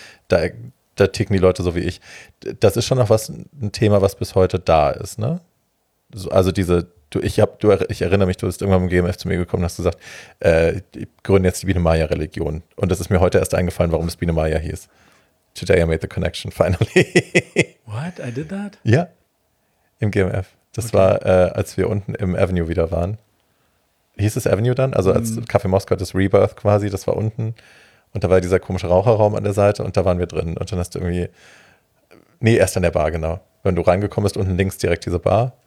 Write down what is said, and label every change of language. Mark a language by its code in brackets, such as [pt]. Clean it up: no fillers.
[de] Da ticken die Leute so wie ich. Das ist schon noch was, ein Thema, was bis heute da ist, ne? Also ich erinnere mich, du bist irgendwann im GMF zu mir gekommen und hast gesagt, ich gründe jetzt die Biene-Maja-Religion. Und das ist mir heute erst eingefallen, warum das Biene-Maja hieß. [en] Today I made the connection, finally. What? I did that? [de] Ja, im GMF. Das war, als wir unten im Avenue wieder waren. Hieß es Avenue dann? Also als Café Moskau, das Rebirth quasi, das war unten. Und da war dieser komische Raucherraum an der Seite und da waren wir drin. Und dann hast du irgendwie, erst an der Bar, genau. Wenn du reingekommen bist, unten links direkt diese Bar.